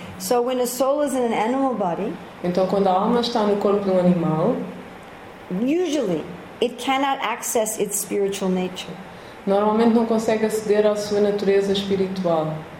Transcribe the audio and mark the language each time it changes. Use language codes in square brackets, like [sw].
[en] So when a soul is in an animal body, [pt] então quando a alma está no corpo de um animal, [en] usually it cannot access its spiritual nature. [pt] Normalmente não consegue aceder à sua natureza espiritual.